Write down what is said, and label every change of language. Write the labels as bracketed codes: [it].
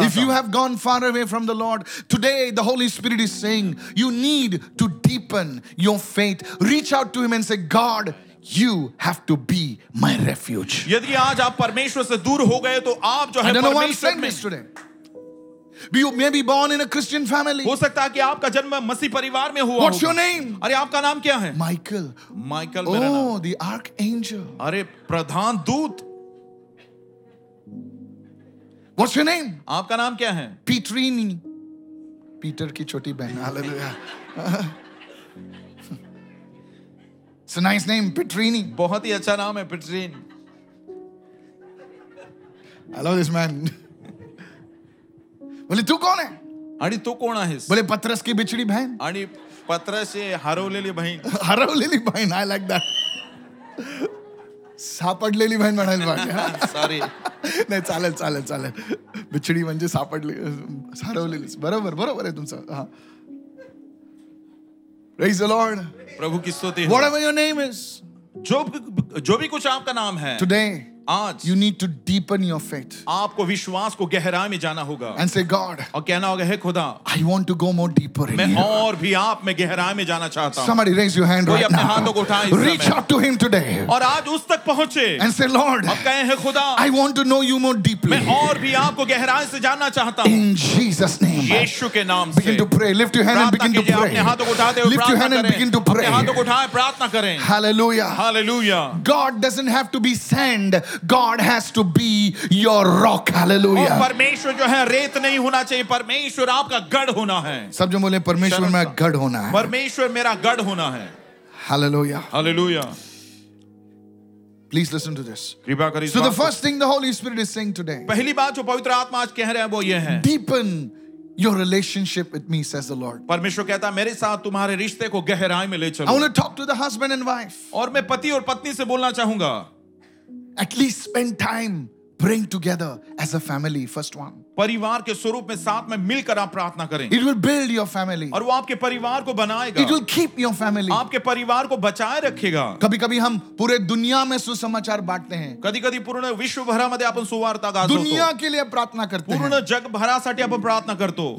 [en] हूँ. If you have gone far away from the Lord, today the Holy Spirit is saying you need to deepen your faith. Reach out to Him and say, God, you have to be my refuge. [hi] यदि आज आप परमेश्वर से दूर हो गए, तो आप जो है परमेश्वर में. [en] I don't know why I'm saying this today. You may be born in a Christian family. [hi] हो सकता है कि आपका जन्म मसीह परिवार में हुआ [en] हो. What's your name? [hi] अरे आपका नाम क्या है? [en] Michael. Michael. Oh, the archangel. [hi] अरे प्रधान दूत. [en] What's your name? [hi] आपका नाम क्या है? [en] Petrini. [hi] Peter की छोटी बहन. [en] Hallelujah. It's a nice name, Petrini. [hi] बहुत ही अच्छा नाम है Petrini. [en] I love this man. [hi] बोले तू कौन है? [mr] आणि तू कोण आहेस? [hi] बोले पत्रस की बिछड़ी बहन. [mr] आणि पत्रस ये हरवलेली बहन. हरवलेली बहन. [en] I like that. [mr] सापडलेली बहन म्हणायला पाहिजे. सॉरी. नाही चालेल चालेल चालेल. बिछडी म्हणजे सापडली हरवलेली. बरोबर बरोबर आहे तुमचं. हा. [en] Praise the Lord. [hi] प्रभु की स्तुति. [en] Whatever your name is. [hi] जो भी कुछ आपका नाम है. [en] Today. [hi] आज. [en] You need to deepen your faith. [hi] आपको विश्वास को गहराई में जाना होगा. [en] And say God. [hi] और कहना होगा हे खुदा. [en] I want to go more deeper in [hi] मैं [en] here. [hi] और भी आप में गहराई में जाना चाहता हूँ. [en] Somebody raise your hand right [hi] now. अपने हाथों को उठाएं. [en] Reach out to him today. [hi] और आज उस तक पहुंचे. [en] And say Lord. [hi] अब कहें हे खुदा. [en] I want to know you more deeply. [hi] मैं और भी आपको गहराई से जानना चाहता हूँ. [en] In Jesus name. [hi] यीशु के नाम से. [en] Begin to pray. Lift your hand and begin to pray. [hi] अपने हाथों को उठाते हुए. [en] Lift your hand and begin to pray. [hi] अपने हाथों को उठाएं प्रार्थना करें. [en] Hallelujah. Hallelujah. God doesn't have to be sand. God has to be your rock. Hallelujah. [hi] और परमेश्वर जो है रेत नहीं होना चाहिए. परमेश्वर आपका गढ़ होना है. सब जो बोले परमेश्वर मेरा गढ़ होना है. परमेश्वर मेरा गढ़ होना है. [en] Hallelujah. Hallelujah. Please listen to this. [hi] कृपया करिए. [en] So the first thing the Holy Spirit is saying today. [hi] पहली बात जो पवित्र आत्मा आज कह रहे हैं वो ये है. [en] Deepen your relationship with me, says the Lord. [hi] परमेश्वर कहता है मेरे साथ तुम्हारे रिश्ते को गहराई में ले चलो. [en] I want to talk to the husband and wife. [hi] और मैं पति और पत्नी से बोलना चाहूंगा. [en] At least spend time praying together as a family, first one. [hi] परिवार के स्वरूप में साथ में मिलकर आप प्रार्थना करें. [en] It will build your family. [hi] और वो आपके परिवार को बनाएगा. [en] It will keep your family. [hi] आपके परिवार को बचाए रखेगा. कभी कभी हम पूरे दुनिया में सुसमाचार बांटते हैं. [mr] कभी कभी पूर्ण विश्व भरा मध्य अपन सुवार्ता गाते [hi] दुनिया के लिए प्रार्थना करते [mr] पूर्ण जग भरा साठी अपन प्रार्थना करतो.